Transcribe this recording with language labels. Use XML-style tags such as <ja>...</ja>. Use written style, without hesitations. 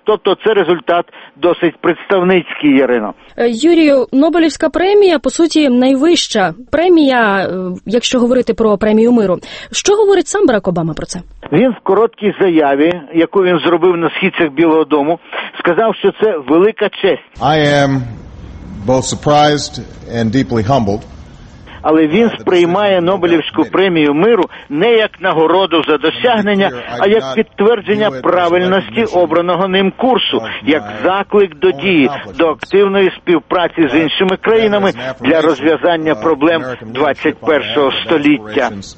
<uk>Тобто це результат досить представницький, Ярино. Юрію, Нобелівська премія, по суті, найвища премія, якщо говорити про премію миру. Що говорить сам Барак Обама про це? Він в короткій заяві, яку він зробив на східцях Білого Дому, сказав, що це велика честь.</uk> <en>I am both surprised and deeply humbled.</en> <uk>Але він сприймає Нобелівську премію миру не як нагороду за досягнення, а як підтвердження правильності обраного ним курсу, як заклик до дії, до активної співпраці з іншими країнами для розв'язання проблем 21-го століття.</uk>